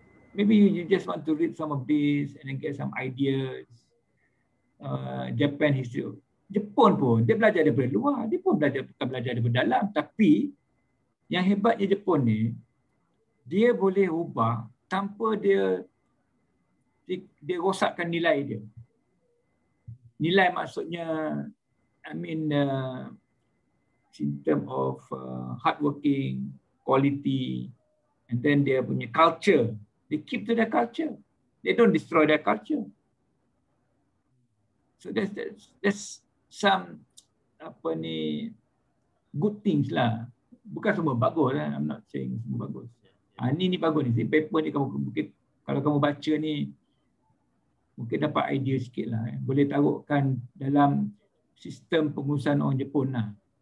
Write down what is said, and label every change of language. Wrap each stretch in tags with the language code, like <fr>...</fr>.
<en>Maybe you just want to read some of this and then get some ideas. Japan history.</en> <ms>Jepun pun, dia belajar daripada luar. Dia pun belajar, bukan belajar daripada dalam. Tapi, yang hebatnya Jepun ni, dia boleh ubah tanpa dia rosakkan nilai dia. Nilai maksudnya,</ms> <en>I mean, in term of hardworking, quality, and then</en> <ms>dia punya</ms> <en>culture. They keep to their culture. They don't destroy their culture. So that's some</en> <ms>apa ni</ms> <en>good things lah.</en> <ms>Bukan semua bagus lah.</ms> <en>I'm not saying</en> <ms>semua bagus. Ni bagus ni. Paper ni kamu mungkin, kalau kamu baca ni mungkin dapat idea sikit lah. Boleh taruhkan dalam sistem pengurusan orang Jepun lah.</ms>